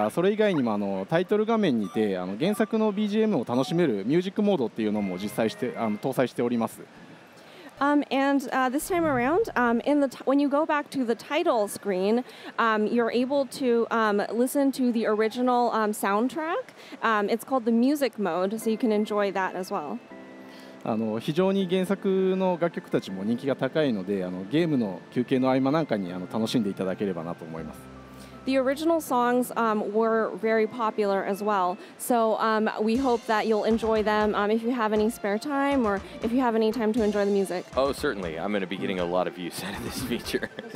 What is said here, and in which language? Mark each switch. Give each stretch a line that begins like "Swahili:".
Japanese: 今回コレクションオブマナではクイックセーブ、クイックロードの機能とかを実装してるんですが、それ以外にも原作の BGM を楽しめるミュージックモードっていうのも実際して搭載しております。
English: This time around, when you go back to the title screen, you're able to listen to the original soundtrack. It's called the music mode, so you can enjoy that as well.
Japanese: 非常に原作の楽曲たちも人気が高いので、ゲームの休憩の合間なんかに楽しんでいただければなと思います。
English: The original songs were very popular as well, so we hope that you'll enjoy them if you have any spare time or if you have any time to enjoy the music. Oh, certainly. I'm going to be getting a lot of use out of this feature.